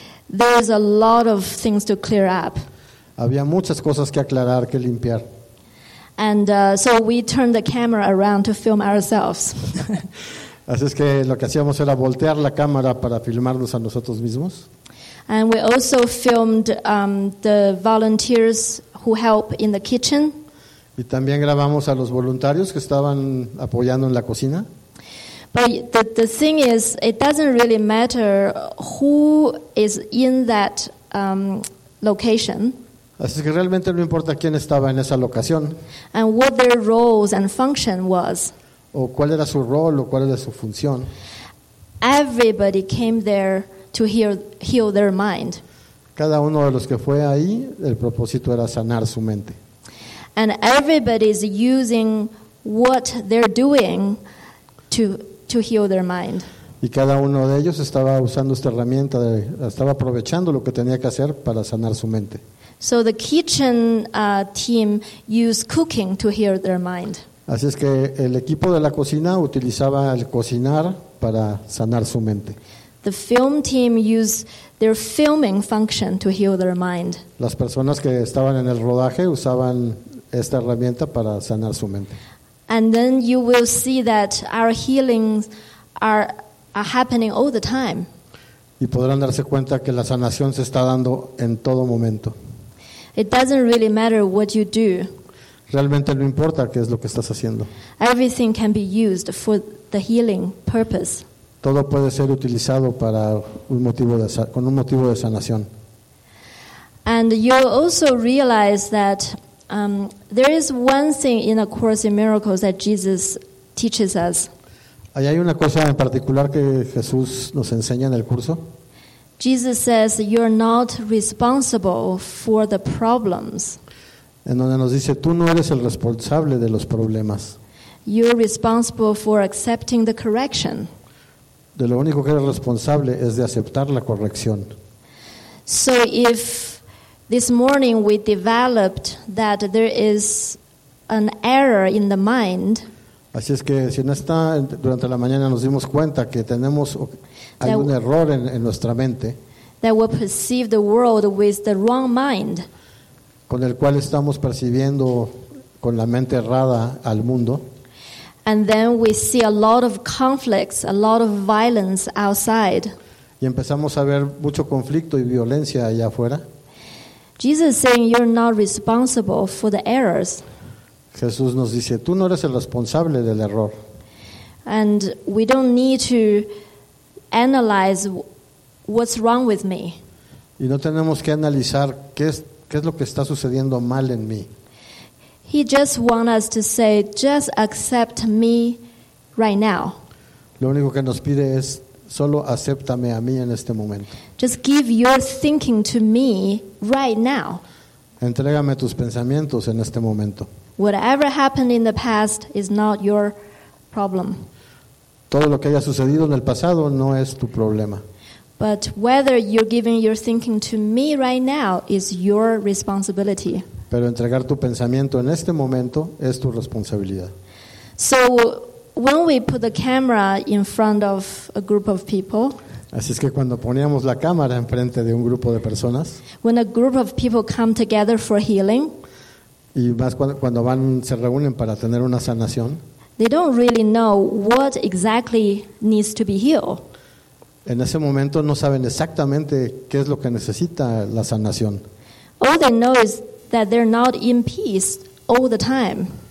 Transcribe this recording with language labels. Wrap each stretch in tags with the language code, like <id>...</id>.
<en>There is a lot of things to clear up.</en> <es>Había muchas cosas que aclarar, que limpiar.</es> <en>And so we turned the camera around to film ourselves.</en> <es>Así es que lo que hacíamos era voltear la cámara para filmarnos a nosotros mismos.</es> <en>And we also filmed the volunteers who help in the kitchen.</en> <es>Y también grabamos a los voluntarios que estaban apoyando en la cocina.</es> <en>But the thing is, it doesn't really matter who is in that location.</en> <es>Así que realmente no importa quién estaba en esa locación.</es> <en>And what their roles and function was.</en> <es>O cuál era su rol o cuál era su función.</es> <en>Everybody came there to heal their mind.</en> <es>Cada uno de los que fue ahí, el propósito era sanar su mente.</es> <en>And everybody is using what they're doing to heal their mind.</en> <es>Y cada uno de ellos estaba usando esta herramienta, estaba aprovechando lo que tenía que hacer para sanar su mente.</es> <en>So the kitchen team used cooking to heal their mind.</en> <es>Así es que el equipo de la cocina utilizaba el cocinar para sanar su mente.</es> <en>The film team used their filming function to heal their mind.</en> <es>Las personas que estaban en el rodaje usaban esta herramienta para sanar su mente.</es> <en>And then you will see that our healings are happening all the time.</en> <es>Y podrán darse cuenta que la sanación se está dando en todo momento.</es> <en>It doesn't really matter what you do.</en> <es>Realmente no importa qué es lo que estás haciendo.</es> <en>Everything can be used for the healing purpose.</en> <es>Todo puede ser utilizado para con un motivo de sanación.</es> <en>And you also realize that there is one thing in A Course in Miracles that Jesus teaches us.</en> <es>¿Hay una cosa en particular que Jesús nos enseña en el curso?</es> <en>Jesus says you're not responsible for the problems.</en> <es>En donde nos dice tú no eres el responsable de los problemas.</es> <en>You're responsible for accepting the correction.</en> <es>De lo único que eres responsable es de aceptar la corrección.</es> <en>So if this morning we developed that there is an error in the mind.</en> <es>Así es que si en esta durante la mañana nos dimos cuenta que tenemos hay un error en nuestra mente.</es> <en>That we perceive the world with the wrong mind.</en> <es>Con el cual estamos percibiendo con la mente errada al mundo.</es> <en>And then we see a lot of conflicts, a lot of violence outside.</en> <es>Y empezamos a ver mucho conflicto y violencia allá afuera.</es> <en>Jesus is saying you're not responsible for the errors.</en> <es>Jesús nos dice, tú no eres el responsable del error.</es> <en>And we don't need to analyze what's wrong with me.</en> <es>Y no tenemos que analizar qué es lo que está sucediendo mal en mí.</es> <en>He just wants us to say, just accept me right now.</en> <es>Lo único que nos pide es, solo acéptame a mí en este momento.</es> <en>Just give your thinking to me right now.</en> <es>Entrégame tus pensamientos en este momento.</es> <en>Whatever happened in the past is not your problem.</en> <es>Todo lo que haya sucedido en el pasado no es tu problema.</es> <en>But whether you're giving your thinking to me right now is your responsibility.</en> <es>Pero entregar tu pensamiento en este momento es tu responsabilidad.</es> <en>So when we put the camera in front of a group of people,</en> <es>así es que cuando poníamos la cámara enfrente de un grupo de personas,</es> <en>when a group of people come together for healing,</en> <es>y más cuando van, se reúnen para tener una sanación,</es> <en>they don't really know what exactly needs to be healed.</en> <es>En ese momento no saben exactamente qué es lo que necesita la sanación.</es> <en>All they know is that they're not in peace all the time.</en>